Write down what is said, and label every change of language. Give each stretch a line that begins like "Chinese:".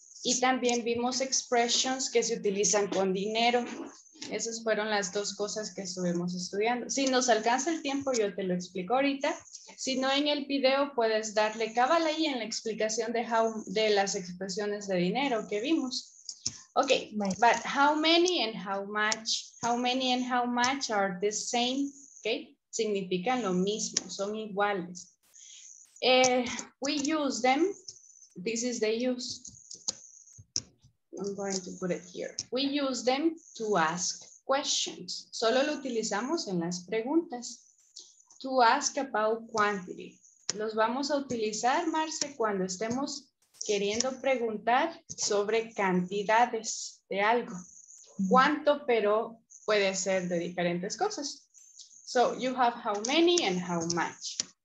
Spanish: Y también vimos expressions que se utilizan con dinero. Esas fueron las dos cosas que estuvimos estudiando. Si nos alcanza el tiempo, yo te lo explico ahorita. Si no, en el video puedes darle cabal ahí en la explicación de las expresiones de dinero que vimos.
English: Ok, but how many and how much. How many and how much are the same.
Spanish: Ok, significan lo mismo, son iguales.
English: We use them. This is the use. I'm going to put it here. We use them to ask questions.
Spanish: Solo lo utilizamos en las preguntas.
English: To ask about quantity.
Spanish: Los vamos a utilizar, Marce, cuando estemos queriendo preguntar sobre cantidades de algo. ¿Cuánto, pero puede ser de diferentes cosas?
English: So you have how many and how much.